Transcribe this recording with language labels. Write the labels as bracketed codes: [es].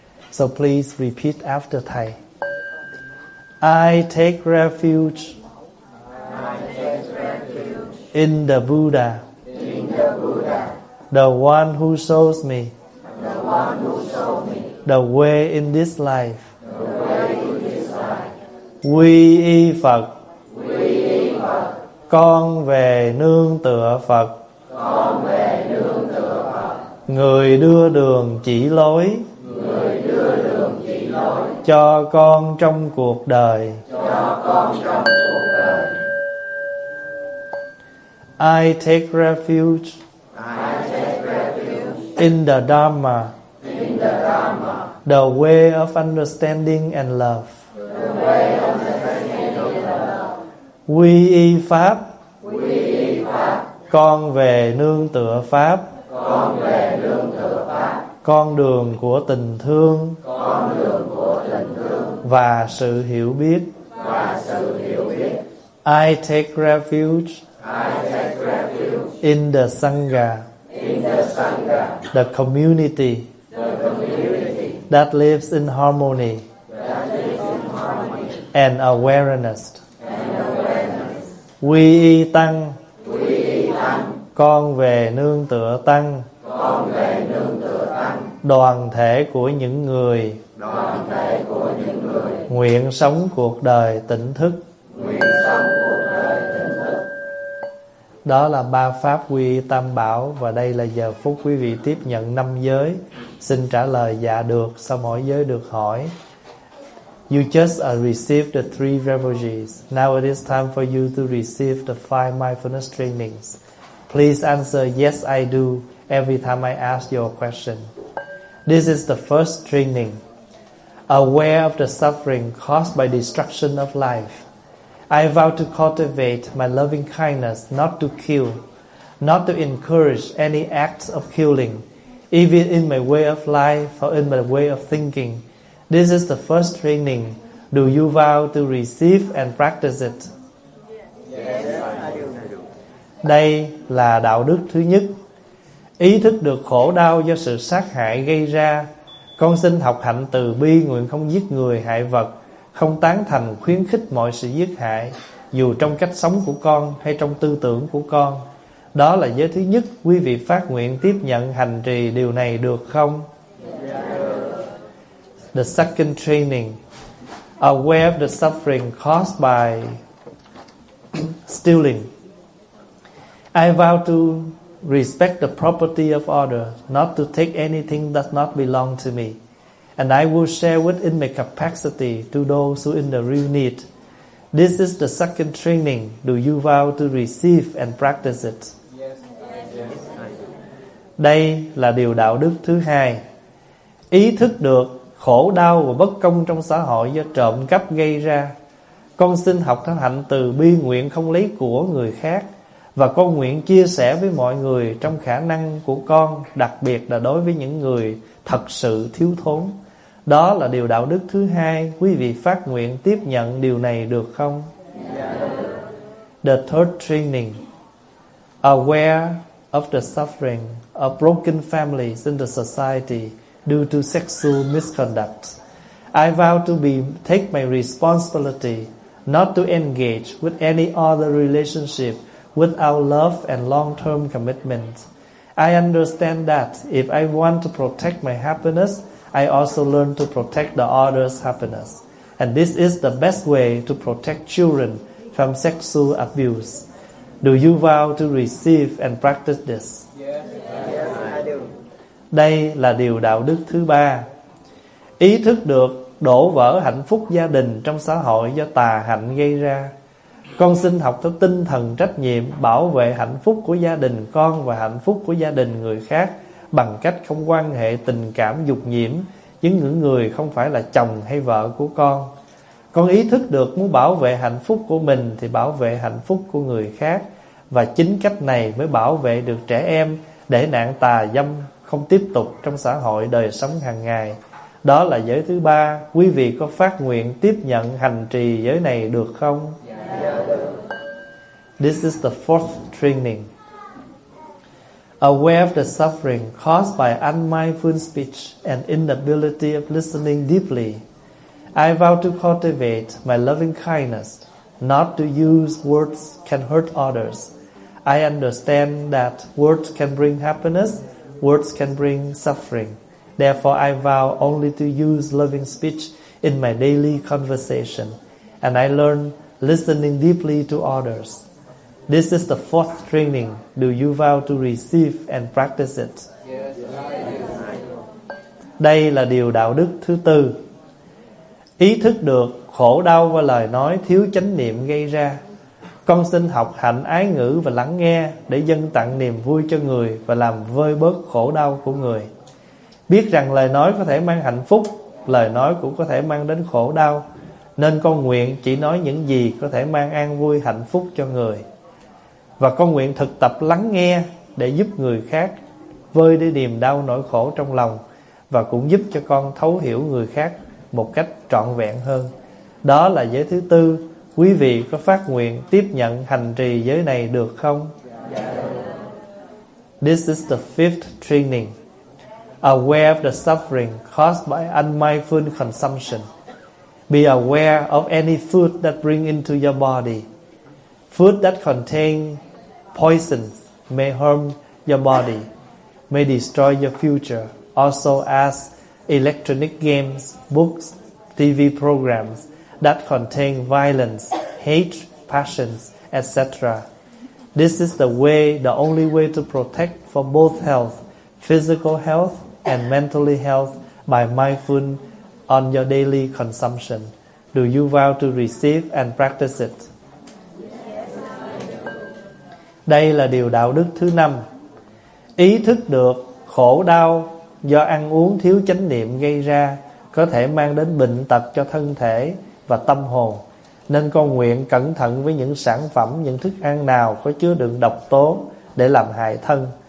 [en] So please repeat after Thay. I take refuge in the Buddha, the one who shows me the way in this life. [vi] Quy y Phật, con về nương tựa Phật. Người đưa đường chỉ lối cho con trong cuộc đời. [en] I take refuge in the Dharma, the way of understanding and love. [vi] Quy y Pháp, con về nương tựa Pháp, con đường của tình thương và sự hiểu biết. [en] I take refuge in the Sangha, the community that lives in harmony and awareness. [vi] Quy y Tăng, con về nương tựa Tăng, đoàn thể của những người nguyện sống cuộc đời tỉnh thức. Đó là ba pháp quy y Tam Bảo. Và đây là giờ phút quý vị tiếp nhận năm giới. Xin trả lời dạ được sau mỗi giới được hỏi. [en] You just received the three refuges. Now it is time for you to receive the five mindfulness trainings. Please answer yes I do every time I ask your question. This is the first training. Aware of the suffering caused by destruction of life, I vow to cultivate my loving kindness, not to kill, not to encourage any acts of killing, even in my way of life or in my way of thinking. This is the first training. Do you vow to receive and practice it? [vi] Đây là đạo đức thứ nhất. Ý thức được khổ đau do sự sát hại gây ra, con xin học hạnh từ bi, nguyện không giết người hại vật, không tán thành khuyến khích mọi sự giết hại, dù trong cách sống của con hay trong tư tưởng của con. Đó là giới thứ nhất. Quý vị phát nguyện tiếp nhận hành trì điều này được không? [en] The second training. Aware of the suffering caused by stealing, I vow to respect the property of others, not to take anything that does not belong to me, and I will share within my capacity to those who in the real need. This is the second training. Do you vow to receive and practice it? Yes. Yes. [vi] Đây là điều đạo đức thứ hai. Ý thức được khổ đau và bất công trong xã hội do trộm cắp gây ra, con xin học thân hạnh từ bi, nguyện không lấy của người khác, và con nguyện chia sẻ với mọi người trong khả năng của con, đặc biệt là đối với những người thật sự thiếu thốn. Đó là điều đạo đức thứ hai. Quý vị phát nguyện tiếp nhận điều này được không? [en] Yeah. The third training. Aware of the suffering of broken families in the society due to sexual misconduct, I vow to take my responsibility not to engage with any other relationship without love and long-term commitment. I understand that if I want to protect my happiness, I also learn to protect the other's happiness. And this is the best way to protect children from sexual abuse. Do you vow to receive and practice this? Yes, I do. [vi] Đây là điều đạo đức thứ ba. Ý thức được đổ vỡ hạnh phúc gia đình trong xã hội do tà hạnh gây ra, con xin học theo tinh thần trách nhiệm bảo vệ hạnh phúc của gia đình con và hạnh phúc của gia đình người khác bằng cách không quan hệ tình cảm dục nhiễm với những người không phải là chồng hay vợ của con. Con ý thức được muốn bảo vệ hạnh phúc của mình thì bảo vệ hạnh phúc của người khác, và chính cách này mới bảo vệ được trẻ em để nạn tà dâm không tiếp tục trong xã hội đời sống hàng ngày. Đó là giới thứ ba. Quý vị có phát nguyện tiếp nhận hành trì giới này được không? [en] This is the fourth training. Aware of the suffering caused by unmindful speech and inability of listening deeply, I vow to cultivate my loving kindness, not to use words can hurt others. I understand that words can bring happiness, words can bring suffering. Therefore, I vow only to use loving speech in my daily conversation, and I learn listening deeply to others. This is the fourth training. Do you vow to receive and practice it? Yes. [vi] Đây là điều đạo đức thứ tư. Ý thức được khổ đau và lời nói thiếu chánh niệm gây ra, Con xin học hạnh ái ngữ và lắng nghe để dâng tặng niềm vui cho người và làm vơi bớt khổ đau của người. Biết rằng lời nói có thể mang hạnh phúc, lời nói cũng có thể mang đến khổ đau, nên con nguyện chỉ nói những gì có thể mang an vui hạnh phúc cho người. Và con nguyện thực tập lắng nghe để giúp người khác vơi đi niềm đau nỗi khổ trong lòng, và cũng giúp cho con thấu hiểu người khác một cách trọn vẹn hơn. Đó là giới thứ tư. Quý vị có phát nguyện tiếp nhận hành trì giới này được không? [en] This is the fifth training. Aware of the suffering caused by unmindful consumption. Be aware of any food that bring into your body. Food that contain poisons may harm your body, may destroy your future. Also ask electronic games, books, TV programs that contain violence, hate, passions, etc. This is the way, the only way to protect for both health, physical health and mentally health, by mindful on your daily consumption. Do you vow to receive and practice it? [vi] Đây là điều đạo đức thứ năm. Ý thức được khổ đau do ăn uống thiếu chánh niệm gây ra có thể mang đến bệnh tật cho thân thể và tâm hồn, nên con nguyện cẩn thận với những sản phẩm, những thức ăn nào có chứa đựng độc tố để làm hại thân.